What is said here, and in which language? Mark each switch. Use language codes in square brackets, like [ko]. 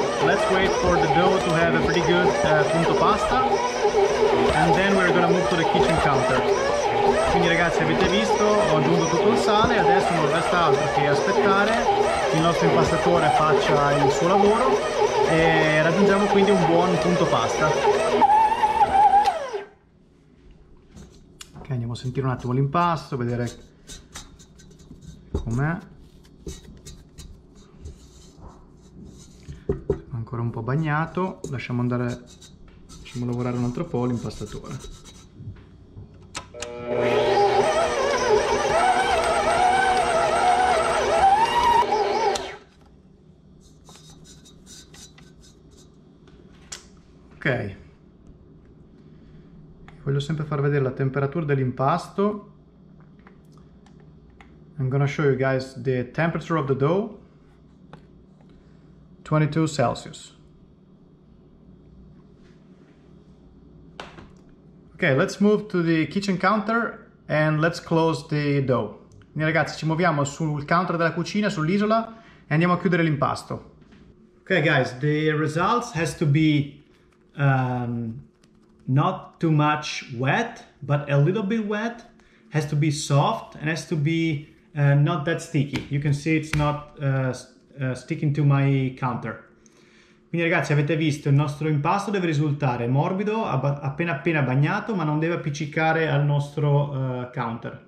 [en] Let's wait for the dough to have a pretty good punto pasta and then we're gonna move to the kitchen counter. [it] Quindi ragazzi avete visto, ho aggiunto tutto il sale, adesso non resta altro che aspettare che il nostro impastatore faccia il suo lavoro e raggiungiamo quindi un buon punto pasta. Ok, andiamo a sentire un attimo l'impasto, vedere com'è. Ancora un po' bagnato, lasciamo andare, lasciamo lavorare un altro po' l'impastatore. Ok, voglio sempre far vedere la temperatura dell'impasto. [en] I'm gonna show you guys the temperature of the dough. 22 Celsius. Okay, let's move to the kitchen counter and let's close the dough. [it] Quindi ragazzi, ci muoviamo sul counter della cucina, sull'isola e andiamo a chiudere l'impasto. Ok, [en] Okay, guys, the results has to be not too much wet, but a little bit wet. Has to be soft and has to be not that sticky. You can see it's not sticking to my counter. [it] Quindi, ragazzi, avete visto, il nostro impasto deve risultare morbido, appena appena bagnato, ma non deve appiccicare al nostro counter.